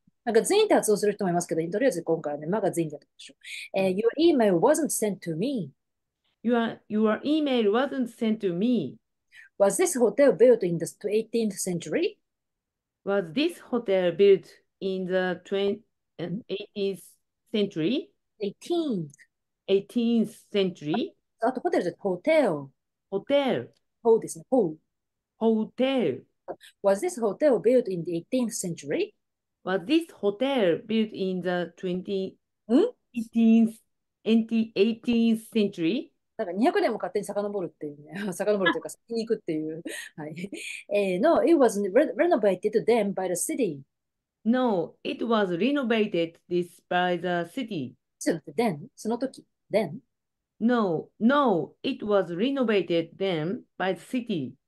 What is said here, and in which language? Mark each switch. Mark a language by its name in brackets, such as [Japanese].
[Japanese] なんか全員って発音する人もいますけど、とりあえず今回はね、マガジンでやってみましょう。 [English] Your email wasn't sent to me. Your email wasn't sent to me. Was this hotel built in the 18th century? Was this hotel built in the 18th century? 18th century? [Japanese] あとホテルじゃなくて、 [English] Hotel. [Japanese] ホーですね、ホー。 [English] Hotel. Was this hotel built in the 18th century? Was this hotel built in the 18th century? [Japanese] なんか200年も勝手に遡るっていうね。遡るというか、先に行くっていう。はい。 [English] No, it was renovated then by the city. No, it was renovated this by the city. Then? [Japanese] その時 [English] Then? No, no, it was renovated then by the city.